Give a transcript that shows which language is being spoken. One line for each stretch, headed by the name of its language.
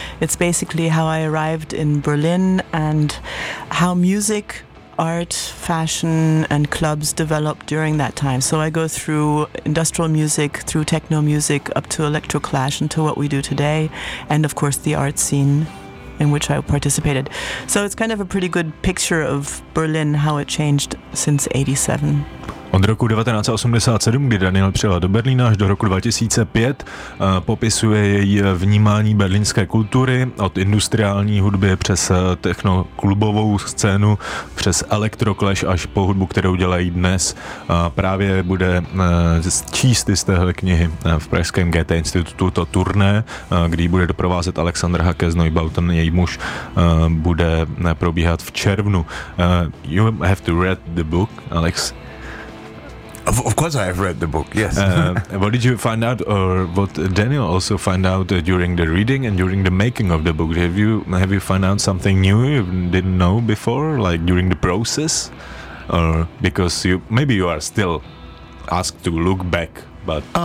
English: It's basically how I arrived in Berlin and how music, art, fashion, and clubs developed during that time. So I go through industrial music, through techno music, up to electro clash, until what we do today, and of course the art scene in which I participated. So it's kind of a pretty good picture of Berlin, how it changed since 87.
Czech: Od roku 1987, kdy Daniel přijel do Berlína, až do roku 2005, popisuje její vnímání berlínské kultury od industriální hudby přes technoklubovou scénu, přes electroclash až po hudbu, kterou dělají dnes. Právě bude číst z téhle knihy v pražském Goethe Institutu to turné, kdy bude doprovázet Alexander Hacke z Neubauten, její muž, bude probíhat v červnu.
English: You have to read the book, Alex. Of course I have read the book, yes. What did you find out, or what Daniel also find out during the reading and during the making of the book? Have you found out something new you didn't know before, like during the process? Or because maybe you are still asked to look back, but...